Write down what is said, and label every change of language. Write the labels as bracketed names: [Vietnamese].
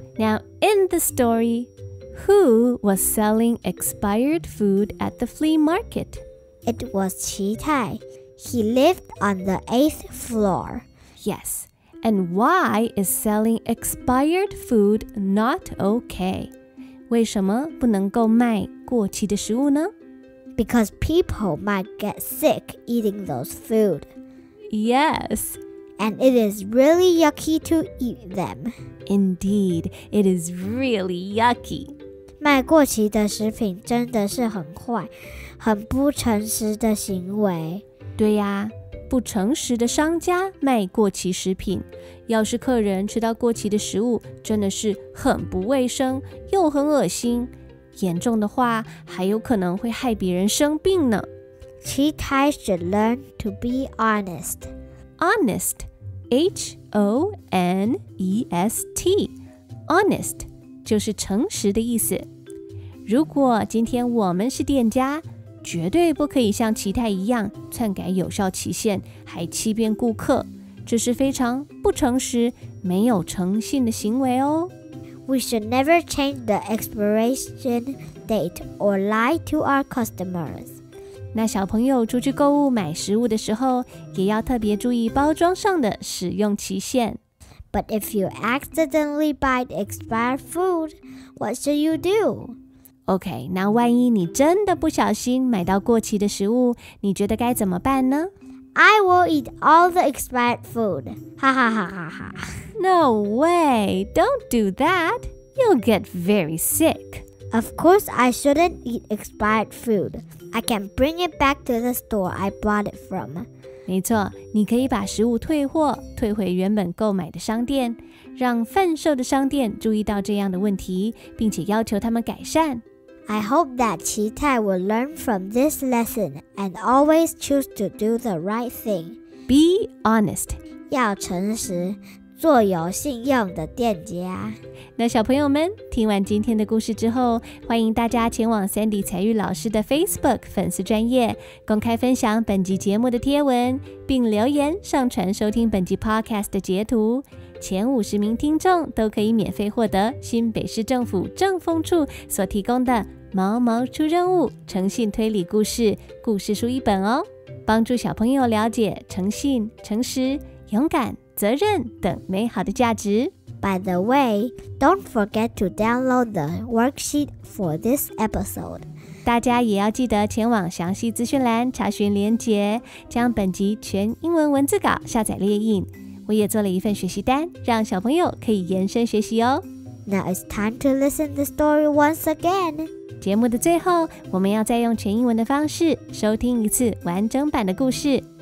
[English] Now, in the story, who was selling expired food at the flea market? It was Qi Tai. He lived on the 8th floor. Yes. And why is selling expired food not okay? [Chinese] 为什么不能够卖过期的食物呢? [English] Because people might get sick eating those food. Yes. And it is really yucky to eat them. Indeed, it is really yucky. [Chinese] 卖过期的食品真的是很坏，很不诚实的行为。对呀，不诚实的商家卖过期食品，要是客人吃到过期的食物，真的是很不卫生，又很恶心。严重的话，还有可能会害别人生病呢。 [English] Qi Tai should learn to be honest. Honest, H-O-N-E-S-T, honest. [Chinese] 就是诚实的意思。如果今天我们是店家，绝对不可以像奇泰一样篡改有效期限，还欺骗顾客，这是非常不诚实、没有诚信的行为哦。 [English] We should never change the expiration date or lie to our customers. [Chinese] 那小朋友出去购物买食物的时候，也要特别注意包装上的使用期限。 [English] But if you accidentally buy expired food, what should you do? [Chinese] Okay, 那万一你真的不小心买到过期的食物，你觉得该怎么办呢? [English] I will eat all the expired food. Ha ha ha ha ha. No way! Don't do that! You'll get very sick. Of course I shouldn't eat expired food. I can bring it back to the store I bought it from. [Chinese] 没错，你可以把食物退货，退回原本购买的商店，让贩售的商店注意到这样的问题，并且要求他们改善。 [English] I hope that Qi Tai will learn from this lesson and always choose to do the right thing. Be honest. [Chinese] 要诚实，做有信用的店家。那小朋友们，听完今天的故事之后，欢迎大家前往 Sandy 才育老师的 Facebook 粉丝专页，公开分享本集节目的贴文，并留言上传收听本集 Podcast 的截图。前50名听众都可以免费获得新北市政府政风处所提供的毛毛出任务诚信推理故事故事书一本哦，帮助小朋友了解诚信、诚实、勇敢、责任等美好的价值。 [English] By the way, don't forget to download the worksheet for this episode. [Chinese] 大家也要记得前往详细资讯栏查询连结，将本集全英文文字稿下载列印。我也做了一份学习单，让小朋友可以延伸学习哦。 [English] Now it's time to listen the story once again. [Chinese] 节目的最后，我们要再用全英文的方式收听一次完整版的故事。